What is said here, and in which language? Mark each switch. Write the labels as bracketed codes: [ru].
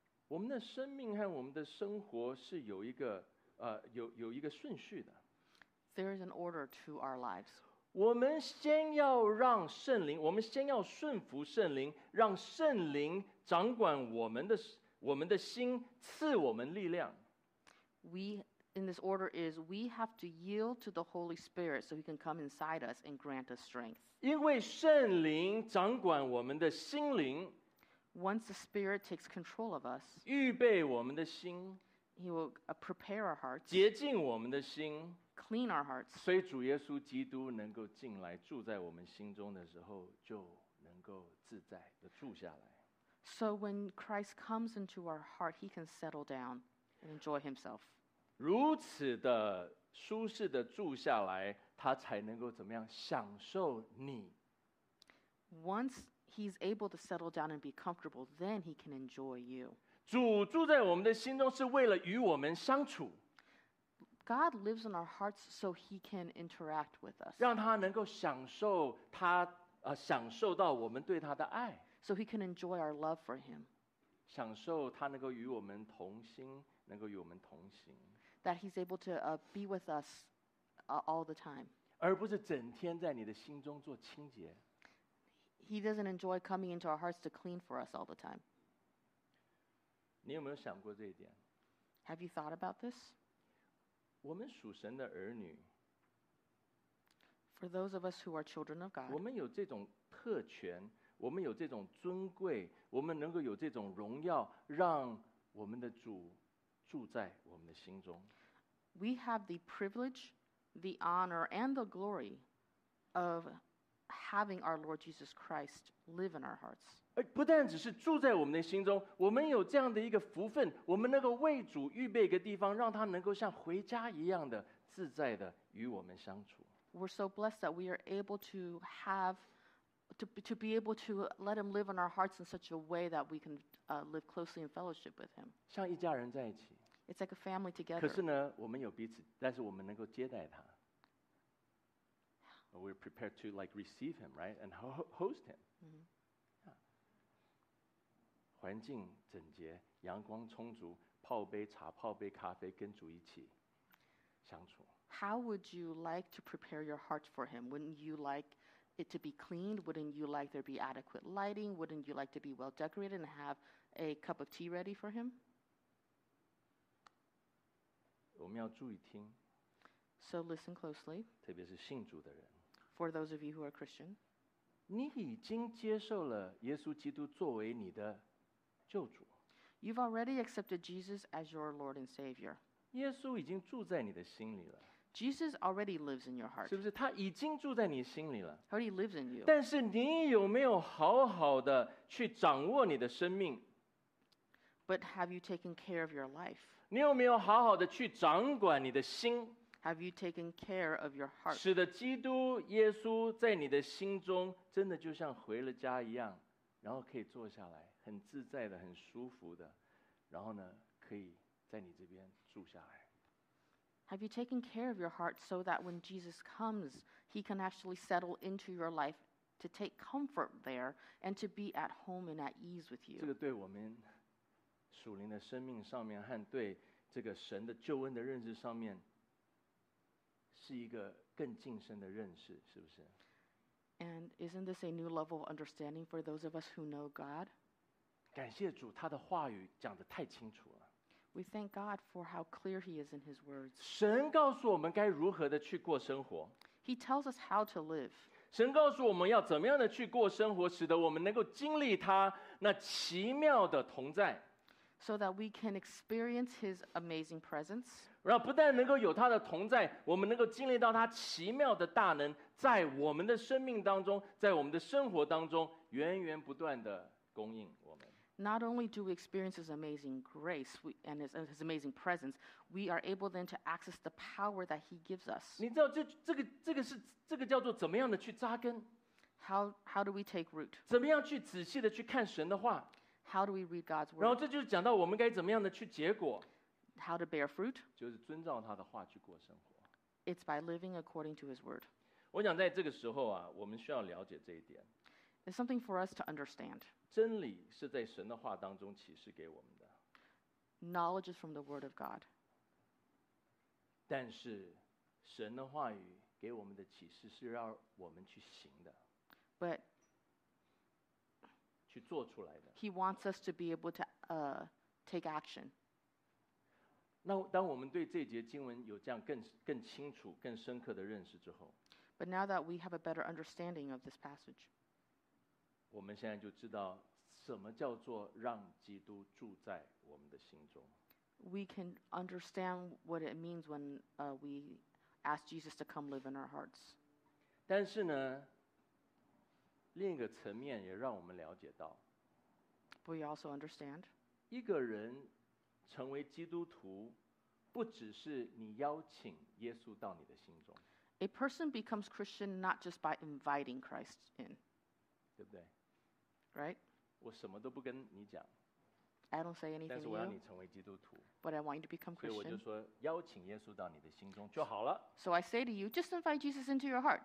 [zh] 我们的生命和我们的生活是有一个有一个顺序的。 [en] There is an order to our lives. [zh] 我们先要让圣灵，我们先要顺服圣灵，让圣灵掌管我们的心，赐我们力量。 [en] We in this order is we have to yield to the Holy Spirit so He can come inside us and grant us strength. [zh] 因为圣灵掌管我们的心灵。 [en] Once the Spirit takes control of us, [zh] 预备我们的心, [en] He will prepare our hearts, [zh] 洁净我们的心, [en] clean our hearts. [zh] 所以主耶稣基督能够进来住在我们心中的时候，就能够自在地住下来。 [en] So when Christ comes into our heart, He can settle down and enjoy Himself. [zh] 如此的舒适地住下来，他才能够怎么样享受你。 [en] Once He's able to settle down and be comfortable, then he can enjoy you. [zh] 主住在我们的心中是为了与我们相处。 [en] God lives in our hearts so he can interact with us. [zh] 让他能够享受他享受到我们对他的爱。 [en] So he can enjoy our love for him. [zh] 享受他能够与我们同心，能够与我们同行。 [en] That he's able to be with us all the time. [zh] 而不是整天在你的心中做清洁。 [en] He doesn't enjoy coming into our hearts to clean for us all the time. [zh] 你有没有想过这一点? [en] Have you thought about this? [zh] 我们属神的儿女, [en] For those of us who are children of God, [zh] 我们有这种特权, 我们有这种尊贵, 我们能够有这种荣耀, 让我们的主住在我们的心中。 [en] We have the privilege, the honor, and the glory of having our Lord Jesus Christ live in our hearts. [zh] 不但只是住在我们的心中，我们有这样的一个福分，我们能够为主预备一个地方，让他能够像回家一样的自在的与我们相处。 [en] We're so blessed that we are able to have, to be able to let him live in our hearts in such a way that we can live closely in fellowship with him. [zh] 像一家人在一起。 [en] It's like a family together. [zh] 可是呢，我们有彼此，但是我们能够接待他。 [en] We're prepared to like receive him, right? And host him. [zh] 环境整洁，阳光充足，泡杯茶，泡杯咖啡，跟主一起相处。 [en] How would you like to prepare your heart for him? Wouldn't you like it to be cleaned? Wouldn't you like there to be adequate lighting? Wouldn't you like to be well decorated and have a cup of tea ready for him? [zh] 我们要注意听。 [en] So listen closely. [zh] 特别是信主的人。 [en] For those of you who are Christian. [zh] 你已经接受了耶稣基督作为你的救主。 [en] You've already accepted Jesus as your Lord and Savior. [zh] 耶稣已经住在你的心里了。 [en] Jesus already lives in your heart. [zh] 是不是他已经住在你心里了？ [en] He already lives in you. [zh] 但是你有没有好好的去掌握你的生命？ [en] But have you taken care of your life? [zh] 你有没有好好的去掌管你的心？ [en] Have you taken care of your heart? [zh] 使得基督耶稣在你的心中真的就像回了家一样，然后可以坐下来，很自在的，很舒服的，然后呢，可以在你这边住下来。 [en] Have you taken care of your heart so that when Jesus comes, he can actually settle into your life to take comfort there and to be at home and at ease with you? [zh] 这个对我们属灵的生命上面和对这个神的救恩的认识上面是一个更近身的认识，是不是？ [en] And isn't this a new level of understanding for those of us who know God? [zh] 感谢主，他的话语讲得太清楚了。 [en] We thank God for how clear he is in his words. [zh] 神告诉我们该如何的去过生活。 [en] He tells us how to live. [zh] 神告诉我们要怎么样的去过生活，使得我们能够经历他那奇妙的同在。 [en] So that we can experience his amazing presence. [zh] 然后不但能够有他的同在，我们能够经历到他奇妙的大能，在我们的生命当中，在我们的生活当中，源源不断的供应我们。 [en] Not only do we experience his amazing grace and his amazing presence, we are able then to access the power that he gives us. [zh] 你知道这个叫做怎么样的去扎根？ [en] How do we take root? [zh] 怎么样去仔细的去看神的话？ [en] How do we read God's word? [zh] 然后这就是讲到我们该怎么样的去结果？ [en] How to bear fruit? [zh] 就是遵照他的话去过生活。 [en] It's by living according to his word. [zh] 我想在这个时候啊，我们需要了解这一点。 [en] It's something for us to understand. [zh] 真理是在神的话当中启示给我们的。 [en] Knowledge is from the word of God. [zh] 但是神的话语给我们的启示是让我们去行的。 [en] But [zh] 去做出来的。 [en] He wants us to be able to take action. [zh] 那当我们对这节经文有这样 更清楚更深刻的认识之后。 [en] But now that we have a better understanding of this passage. [zh] 我们现在就知道什么叫做让基督住在我们的心中。 [en] We can understand what it means when we ask Jesus to come live in our hearts. [zh] 但是呢，另一个层面也让我们了解到。 [en] But we also understand. [zh] 一个人成为基督徒，不只是你邀请耶稣到你的心中。 [en] A person becomes Christian not just by inviting Christ in. [zh] 对不对？ [en] Right? [zh] 我什么都不跟你讲。 [en] I don't say anything. [zh] 但是我要你成为基督徒。 [en] But I want you to become Christian. [zh] 所以我就说，邀请耶稣到你的心中就好了。 [en] So I say to you, just invite Jesus into your heart.